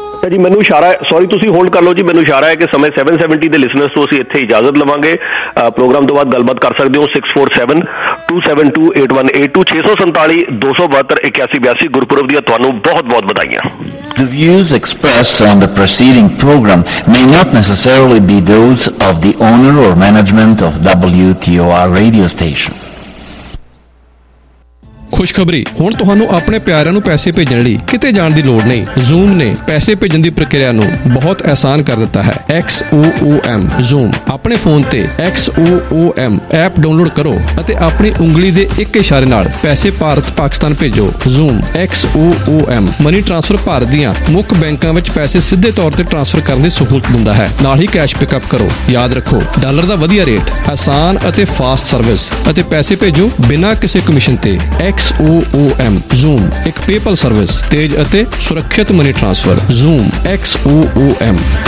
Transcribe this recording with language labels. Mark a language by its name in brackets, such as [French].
[Punjabi] ਜੀ ਮੈਨੂੰ ਇਸ਼ਾਰਾ ਸੋਰੀ ਤੁਸੀਂ ਹੋਲਡ ਕਰ ਲਓ ਜੀ ਮੈਨੂੰ ਇਸ਼ਾਰਾ ਹੈ ਕਿ ਸਮੇਂ 770 ਦੇ ਲਿਸਨਰਸ ਤੋਂ ਅਸੀਂ ਇੱਥੇ ਇਜਾਜ਼ਤ ਲਵਾਂਗੇ ਪ੍ਰੋਗਰਾਮ ਤੋਂ ਬਾਅਦ ਗੱਲਬਾਤ ਕਰ ਸਕਦੇ ਹੋ 647-272-8182 647-272-8182 ਗੁਰਪੁਰਬ ਦੀਆਂ ਤੁਹਾਨੂੰ ਬਹੁਤ ਬਹੁਤ ਵਧਾਈਆਂ [English] The views expressed on the preceding program may not necessarily be those of the owner or management of WTOR radio station. [Punjabi] ਖੁਸ਼ਖਬਰੀ ਹੁਣ ਤੁਹਾਨੂੰ ਆਪਣੇ ਪਿਆਰਿਆਂ ਨੂੰ ਪੈਸੇ ਭੇਜਣ ਲਈ ਕਿਤੇ ਜਾਣ ਦੀ ਲੋੜ ਨਹੀਂ ਜ਼ੂਮ ਨੇ ਪੈਸੇ ਭੇਜਣ ਦੀ ਪ੍ਰਕਿਰਿਆ ਨੂੰ ਬਹੁਤ ਆਸਾਨ ਕਰ ਦਿੱਤਾ ਹੈ XOOM ਜ਼ੂਮ ਆਪਣੇ ਫੋਨ ਤੇ XOOM ਐਪ ਡਾਊਨਲੋਡ ਕਰੋ ਅਤੇ ਆਪਣੀ ਉਂਗਲੀ ਦੇ ਇੱਕ ਇਸ਼ਾਰੇ ਨਾਲ ਪੈਸੇ ਭਾਰਤ ਪਾਕਿਸਤਾਨ ਭੇਜੋ zoom XOOM money transfer Bharat ਦੀਆਂ ਮੁੱਖ ਬੈਂਕਾਂ ਵਿੱਚ ਪੈਸੇ ਸਿੱਧੇ ਤੌਰ ਤੇ ਟ੍ਰਾਂਸਫਰ ਕਰਨ ਦੀ ਸਹੂਲਤ ਦਿੰਦਾ ਹੈ ਨਾਲ ਹੀ ਕੈਸ਼ ਪਿਕਅਪ ਕਰੋ ਯਾਦ ਰੱਖੋ ਡਾਲਰ ਦਾ ਵਧੀਆ ਰੇਟ ਆਸਾਨ ਅਤੇ ਫਾਸਟ ਸਰਵਿਸ ਅਤੇ ਪੈਸੇ ਭੇਜੋ ਬਿਨਾਂ ਕਿਸੇ ਕਮਿਸ਼ਨ ਤੇ XOOM ਜ਼ੂਮ ਇੱਕ ਪੇਪਲ ਸਰਵਿਸ ਤੇਜ਼ ਅਤੇ ਸੁਰੱਖਿਅਤ ਮਨੀ ਟ੍ਰਾਂਸਫਰ ਜ਼ੂਮ XOOM